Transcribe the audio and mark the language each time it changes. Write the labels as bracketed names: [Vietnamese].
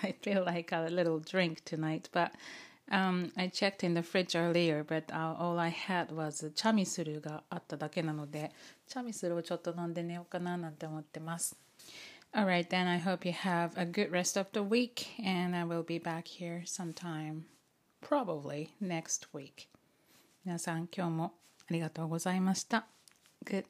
[English] I feel like a little drink tonight, but I checked in the fridge earlier, but all I had was [Japanese] チャミスルがあっただけなので、チャミスルをちょっと飲んで寝ようかななんて思ってます。 [English] All right, then I hope you have a good rest of the week, and I will be back here sometime, probably next week. [Japanese] 皆さん、今日もありがとうございました。Good